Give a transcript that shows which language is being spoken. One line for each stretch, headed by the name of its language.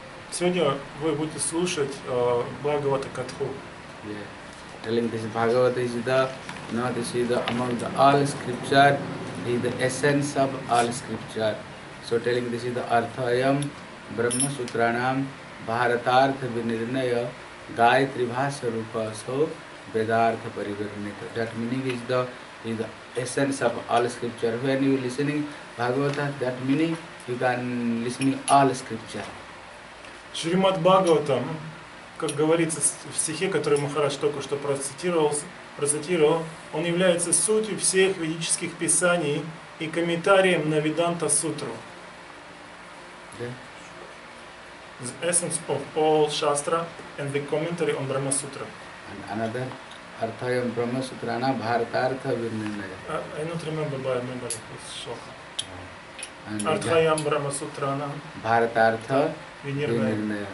Russian: Сегодня вы будете слушать Бхагавата Катху.
English: Yeah. Telling this Bhagavata is the, not this is the among the all scripture, is the essence of all scripture. So telling this is the
Sanskrit: Arthayam Brahma Sutranam Bharatartha Vinirnaya Gayatri Bhasa Rupa So Vedartha Parivarnita.
English: That meaning is the essence of all scripture. When you are listening Bhagavata, that meaning you can listen to all scripture.
Russian: Shrimad Bhagavatam, как говорится в стихе, который Махарадж только что процитировал, он является сутью всех ведических писаний и комментарием на Веданта-сутру.
English: the essence of all Shastra and the commentary on Brahma Sutra. And another,
Sanskrit: Arthayam Brahma Sutra na Bharatartha Virnindaya.
English: I don't remember, but I remember it was Shloka.
Sanskrit: Arthayam Brahma Sutra na Bharatartha Virnindaya.